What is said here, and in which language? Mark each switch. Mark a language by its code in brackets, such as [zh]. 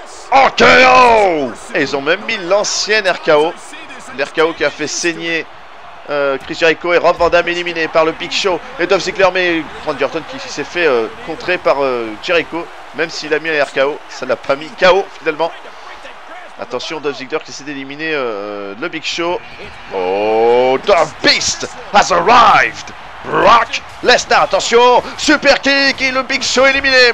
[fr] RKO! Et ils ont même mis l'ancienne RKO. L'RKO qui a fait saigner Chris Jericho et Rob Van Damme éliminé par le Big Show. Et Dolph Ziggler, mais Randy Orton qui s'est fait contrer par Jericho. Même s'il a mis un RKO, ça l'a pas mis KO finalement. Attention, Dolph Ziggler qui essaie d'éliminer le Big Show. [en] Oh, The Beast has arrived! [fr] Brock Lesnar, attention! Super kick et le Big Show éliminé!